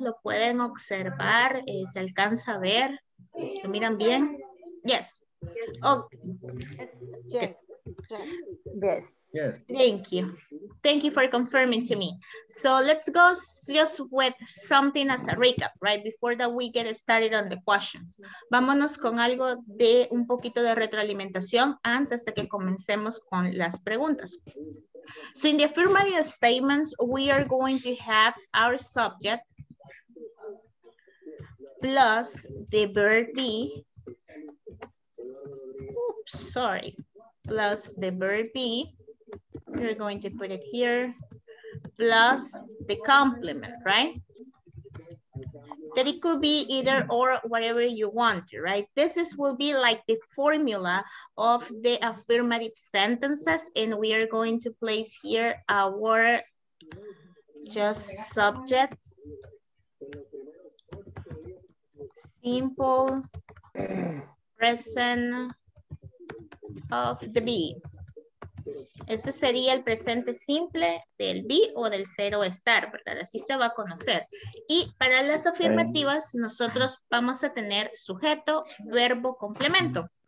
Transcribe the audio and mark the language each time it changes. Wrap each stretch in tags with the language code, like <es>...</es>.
<es>¿Lo pueden observar? ¿Se alcanza a ver? ¿Lo miran bien?</es> <en>Yes. Okay. Yes. Yes. Yes. Thank you. Thank you for confirming to me. So let's go just with something as a recap, right? Before that we get started on the questions.</en> <es>Vámonos con algo de un poquito de retroalimentación antes de que comencemos con las preguntas.</es> <en>So in the affirmative statements, we are going to have our subject plus the verb be. Oops, sorry. Plus the verb be. We're going to put it here, plus the complement, right? That it could be either or whatever you want, right? This is will be like the formula of the affirmative sentences, and we are going to place here our just subject, simple present of the be.</en> <es>Este sería el presente simple del be o del ser o estar, ¿verdad? Así se va a conocer. Y para las afirmativas, nosotros vamos a tener sujeto, verbo, complemento.</es>